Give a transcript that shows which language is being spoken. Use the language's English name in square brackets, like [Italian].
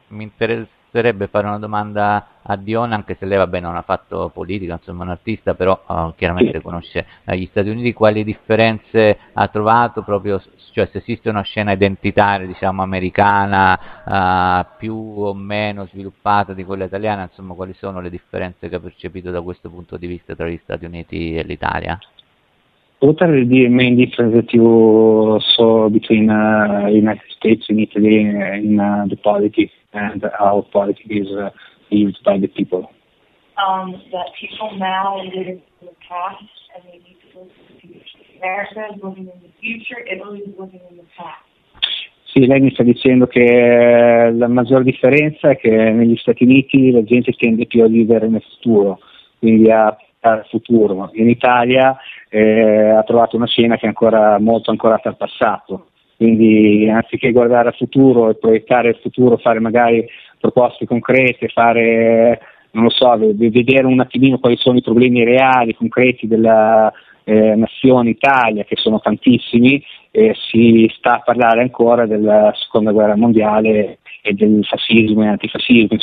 [Italian] mi interesserebbe fare una domanda a Diona, anche se lei, vabbè, non ha fatto politica, insomma, un artista, però chiaramente conosce gli Stati Uniti. Quali differenze ha trovato proprio, cioè se esiste una scena identitaria, diciamo, americana più o meno sviluppata di quella italiana, insomma, quali sono le differenze che ha percepito da questo punto di vista tra gli Stati Uniti e l'Italia? Potrei dire [English] main difference that you saw between United States and Italy in the politics and how politics is perceived by the people? That people now live in the past and they need to live in the future. America is living in the future, Italy is living in the past. [Italian] Sì, lei mi sta dicendo che la maggior differenza è che negli Stati Uniti la gente tende più a vivere nel futuro, quindi a pensare al futuro. In Italia ha trovato una scena che è ancora molto ancorata al passato, quindi anziché guardare al futuro e proiettare il futuro, fare magari proposte concrete, fare, non lo so, vedere un attimino quali sono i problemi reali, concreti della nazione Italia, che sono tantissimi, si sta a parlare ancora della seconda guerra mondiale e del fascismo e antifascismo.